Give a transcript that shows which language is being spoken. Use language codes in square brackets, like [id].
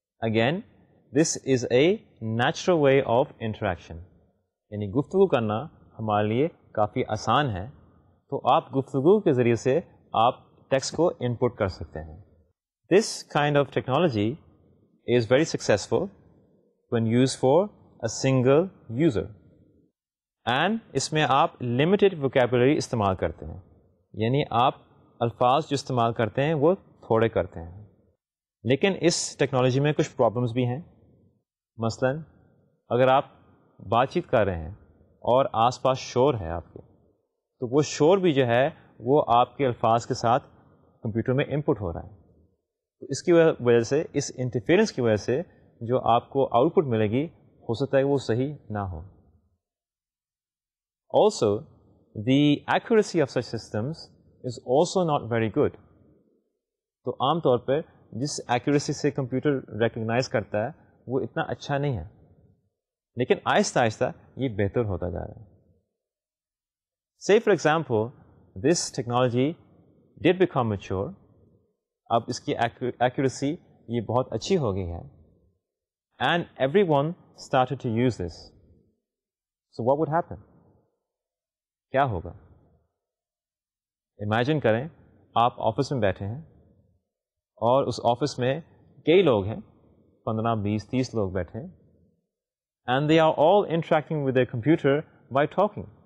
[en] Again, this is a natural way of interaction. [ur] یعنی گفتگو کرنا ہمارے لیے کافی آسان ہے, تو آپ گفتگو کے ذریعے سے آپ ٹیکسٹ کو ان پٹ کر سکتے ہیں. [en] This kind of technology is very successful when used for a single user. [ur] And اس میں آپ limited vocabulary استعمال کرتے ہیں. یعنی آپ الفاظ جو استعمال کرتے ہیں وہ تھوڑے کرتے ہیں. لیکن اس ٹیکنالوجی میں کچھ پرابلمس بھی ہیں. مثلا اگر آپ بات چیت کر رہے ہیں اور آس پاس شور ہے آپ کے, تو وہ شور بھی جو ہے وہ آپ کے الفاظ کے ساتھ کمپیوٹر میں ان پٹ ہو رہا ہے. تو اس کی وجہ سے, اس انٹرفیئرنس کی وجہ سے جو آپ کو آؤٹ پٹ ملے گی ہو سکتا ہے وہ صحیح نہ ہو. [en] Also, the accuracy of such systems is also not very good. [ur] تو عام طور پر جس ایکوریسی سے کمپیوٹر ریکگنائز کرتا ہے وہ اتنا اچھا نہیں ہے, لیکن آہستہ آہستہ یہ بہتر ہوتا جا رہا ہے. [en] Say for example, this technology did become mature. [ur] اب اس کی ایکوریسی یہ بہت اچھی ہو گئی ہے. [en] And everyone started to use this. So what would happen? [ur] کیا ہوگا؟ امیجن کریں آپ آفس میں بیٹھے ہیں اور اس آفس میں کئی لوگ ہیں, 15-20-30 لوگ بیٹھے ہیں, [en] And they are all interacting with their computer by talking.